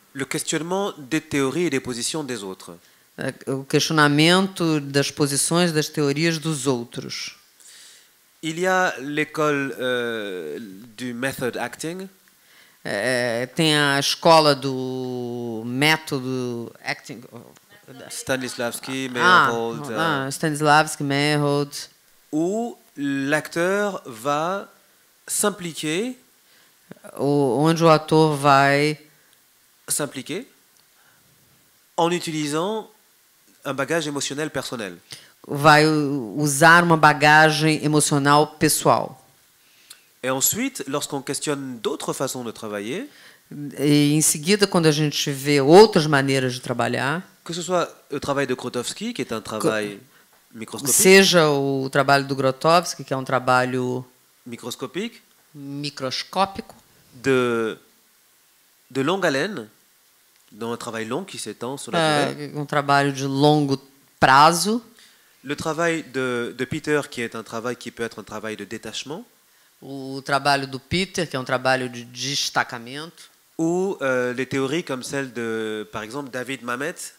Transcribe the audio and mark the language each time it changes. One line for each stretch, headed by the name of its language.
French: le questionnement des théories et des positions des autres
Portuguese: o questionamento das posições das teorias dos outros.
French: Il y a l'école du method acting.
Portuguese: Tem a escola do método acting
French: Stanislavski, Meyerhold
Portuguese: Stanislavski, Meyerhold
French: où l'acteur va s'impliquer
Portuguese: onde o ator vai
French: s'impliquer en utilisant un bagage émotionnel personnel
Portuguese: vai usar uma bagagem emocional pessoal.
French: Et ensuite, lorsqu'on questionne d'autres façons de travailler,
Portuguese: et en seguida quando a gente vê outras maneiras de trabalhar,
French: que ce soit le travail de Grotowski qui est un travail microscopique,
Portuguese: seja o trabalho do Grotowski que é um trabalho
French: microscopique,
Portuguese: microscópico,
French: de longue haleine, dans un travail long qui s'étend sur la durée.
Portuguese: Um trabalho de longo prazo.
French: Le travail de Peter, qui est un travail qui peut être un travail de détachement.
Portuguese: O trabalho do Peter, que é um trabalho de destacamento.
French: Ou les théories comme celle de, par exemple, David Mamet.